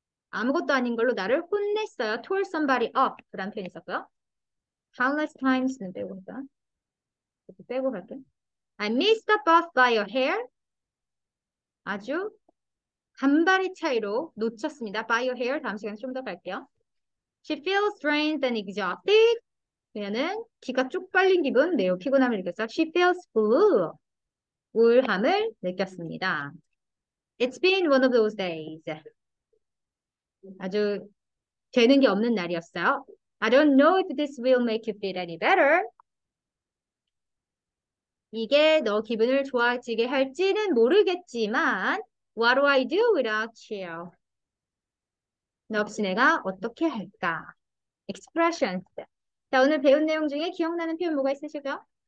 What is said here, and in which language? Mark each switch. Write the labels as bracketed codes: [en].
[ko] 아무것도 아닌 걸로 나를 혼냈어요. [en] Told somebody off. [ko] 그런 표현이 있었고요. [en] Countless times [ko] 는 빼고 일단. 빼고 갈게요. [en] I missed the bus by a hair? [ko] 아주 한발의 차이로 놓쳤습니다. [en] By your hair. [ko] 다음 시간에 좀더 갈게요. [en] She feels drained and exhausted. [ko] 그녀는 기가 쭉 빨린 기분, 매우 피곤함을 느꼈어요. [en] She feels blue. [ko] 우울함을 느꼈습니다. [en] It's been one of those days. [ko] 아주 되는 게 없는 날이었어요. [en] I don't know if this will make you feel any better. [ko] 이게 너 기분을 좋아지게 할지는 모르겠지만, [en] What do I do without you? [ko] 너 없이 내가 어떻게 할까? [en] Expressions. [ko] 자, 오늘 배운 내용 중에 기억나는 표현 뭐가 있으실까요?